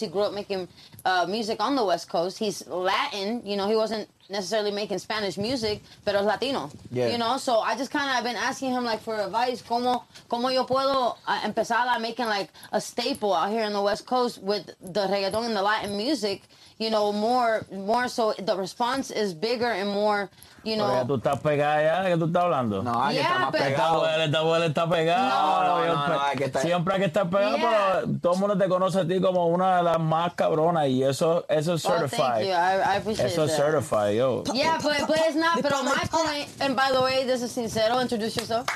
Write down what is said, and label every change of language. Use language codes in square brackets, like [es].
[en] He grew up making music on the West Coast. He's Latin, you know. He wasn't necessarily making Spanish music, [es] pero es Latino. [en] Yeah. You know. So I just kind of been asking him like for advice, [es] cómo yo puedo empezar a [en] making like a staple out here in the West Coast with the reggaeton and the Latin music. You know, more so the response is bigger and more. You know, [es] tú estás pegada ya, ¿de qué tú estás hablando? No, hay que estar más pegado. Esta abuela está pegada. Siempre hay que estar pegada, pero todo el mundo te conoce a ti como una de las más cabronas, y eso es certified. [en] Well, thank you. I appreciate [es] eso [en] that. [es] Eso es certified, yo. [en] Yeah, but it's not, [es] pero [en] my point, and by the way, this is Sincero, introduce yourself.